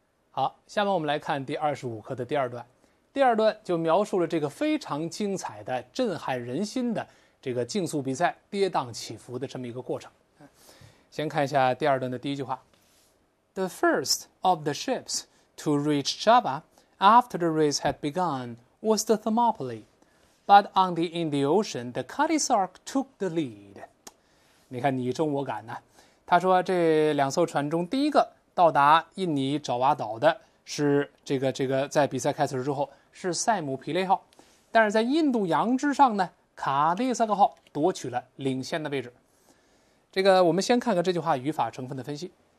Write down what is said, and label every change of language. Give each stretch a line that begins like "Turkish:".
Chinese: 好，下面我们来看第25课的第二段。第二段就描述了这个非常精彩的、震撼人心的这个竞速比赛跌宕起伏的这么一个过程。先看一下第二段的第一句话：
English: The first of the ships to reach Java after the race had begun was the Thermopylae, but on the Indian Ocean, the Cuttisark took the lead。
Chinese: 你看，你争我赶呢。他说，这两艘船中第一个到达印尼爪哇岛的是这个，在比赛开始之后是塞姆皮雷号，但是在印度洋之上呢，卡迪萨克号夺取了领先的位置。这个我们先看看这句话语法成分的分析。